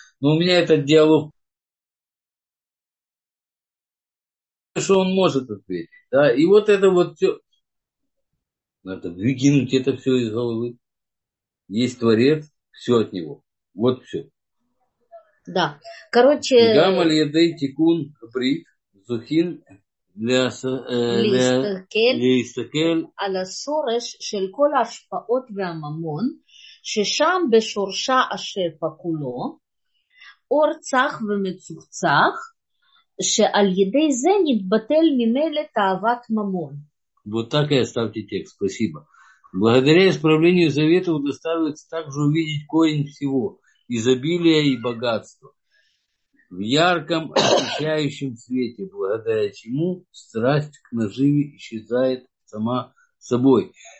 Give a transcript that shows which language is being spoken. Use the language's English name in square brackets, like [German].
[Russian] Но у меня этот диалог, что он может ответить. Да? И вот это вот все. Надо выкинуть это все из головы. Есть Творец, все от него. Вот все. Да. Короче. [Hebrew] Гамаль ядей тикун брит зухин. להסתכל על השורש של כל ההשפעות והממון ששם בשורשה השפע כולו אור צח ומצוחצח שעל ידי זה נתבטל ממילא תאוות ממון. [Russian] Вот так я оставьте текст, спасибо. Благодаря исправлению завета удостаивается также увидеть корень всего изобилия и богатства в ярком освещающем свете, благодаря чему страсть к наживе исчезает сама собой.